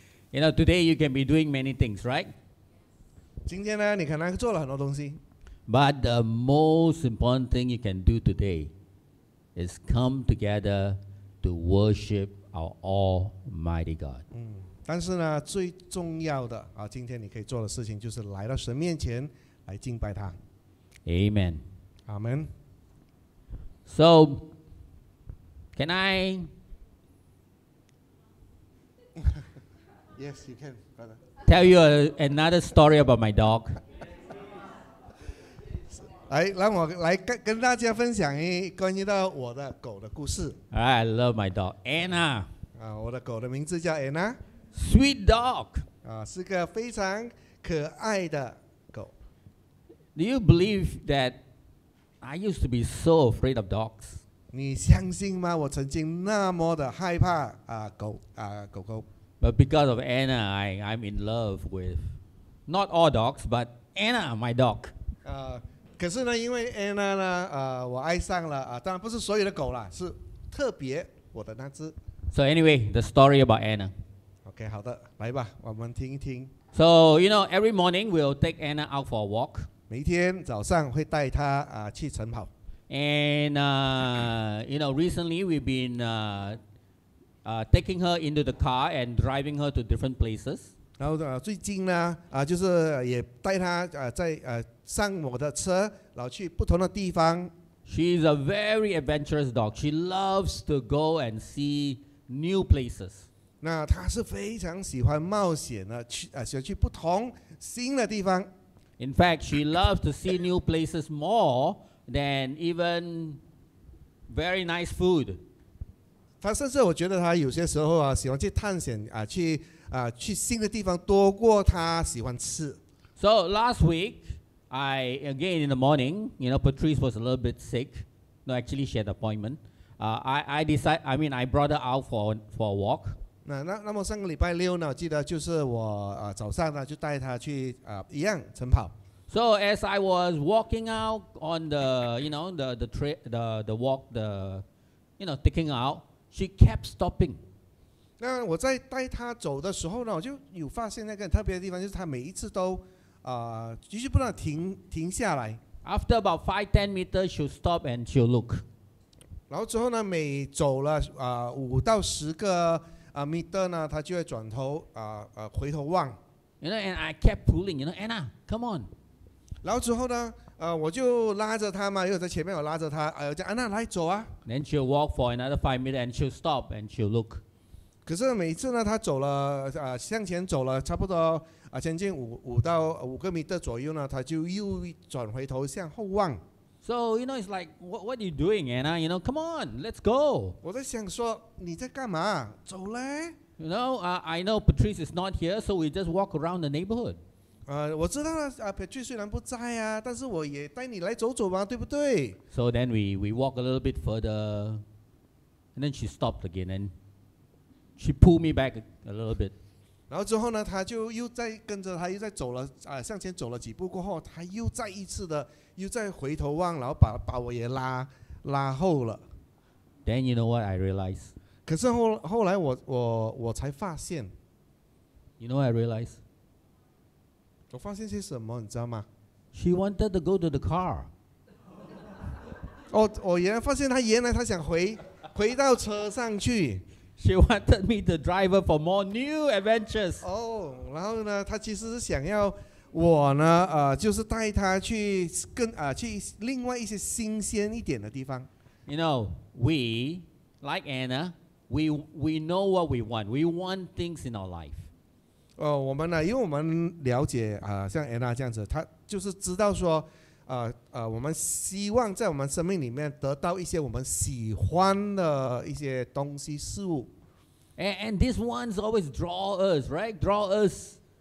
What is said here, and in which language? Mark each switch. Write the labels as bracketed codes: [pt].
[en] You know, today you can be doing many things, right? [zh] 今天呢，你可能做了很多东西。 [en] But the most important thing you can do today is come together to worship our Almighty God. [zh] 但是呢，最重要的啊，今天你可以做的事情就是来到神面前来敬拜他。 [en] Amen. Amen. So, can I? Yes, you can, brother. Tell you another story about my dog. [zh] 来，让我来跟大家分享一关于到我的狗的故事。 [en] I love my dog Anna. [zh] 我的狗的名字叫 Anna. [en] Sweet dog. [zh] 是个非常可爱的狗。 [en] Do you believe that I used to be so afraid of dogs? [zh] 你相信吗？我曾经那么的害怕狗狗狗。 [en] But because of Anna, I'm in love with not all dogs, but Anna, my dog. [zh] 可是呢，因为 Anna 呢，我爱上了当然不是所有的狗啦，是特别我的那只。 [en] So anyway, the story about Anna. [zh] Okay, 好的，来吧，我们听一听。 [en] So you know, every morning we'll take Anna out for a walk. [zh] 每天早上会带她去晨跑。 [en] And you know, recently we've been taking her into the car and driving her to different places. [zh] 然后最近呢，就是也带她在上我的车，然后去不同的地方。 [en] She's a very adventurous dog. She loves to go and see new places. [zh] 那她是非常喜欢冒险的，喜欢去不同新的地方。 [en] In fact, she loves to see new places more than even very nice food. [zh] 他甚至我觉得他有些时候喜欢去探险去新的地方多过他喜欢吃。 [en] So last week, I again in the morning, you know, Patrice was a little bit sick. No, actually she had an appointment. I brought her out for a walk. [zh] 那么上个礼拜六呢，我记得就是我早上呢就带他去一样晨跑。 [en] So as I was walking out on the, you know, the trip, the walk, the, you know, taking out. She kept stopping. [zh] 那我在带她走的时候呢，我就有发现那个特别的地方，就是她每一次都继续不断停下来。 [en] After about 5-10 meters, she'll stop and she'll look. [zh] 然后之后呢，每走了5-10个meter 呢，她就会转头回头望。 [en] You know, and I kept pulling. You know, Anna, come on. [zh] 然后之后呢，我就拉着他嘛，因为在前面我拉着他，我讲安娜来走啊。 [en] Then she'll walk for another 5 minutes and she'll stop and she'll look。 [zh] 可是每次呢，他走了，向前走了差不多将近五到五个米的左右呢，他就又转回头向后望。 [en] So you know, it's like, what are you doing, Anna? You know, come on, let's go. [zh] 我在想说你在干嘛？走嘞。 [en] You know, I know Patrice is not here, so we just walk around the neighborhood. [zh] 我知道了，Patrice 虽然不在啊，但是我也带你来走走嘛，对不对？ [en] So then we walk a little bit further, and then she stopped again, and she pulled me back a little bit. [zh] 然后之后呢，他就又再跟着他又再走了，向前走了几步过后，他又再一次的。又再回头望，然后 把我也拉后了。 [en] Then you know what I realize? [zh] 可是后来我才发现。 [en] You know what I realize? [zh] 我发现些什么，你知道吗 [en] ？She wanted to go to the car. [zh] 我原来发现她原来她想回到车上去。 [en] She wanted me to drive her for more new adventures. [zh] 然后呢，她其实是想要。我呢，就是带他去跟去另外一些新鲜一点的地方。 [en] You know, we like Anna, we know what we want. We want things in our life. [zh] 我们呢，因为我们了解像 Anna 这样子，他就是知道说，我们希望在我们生命里面得到一些我们喜欢的一些东西事物。 [en] And these ones always draw us, right? Draw us.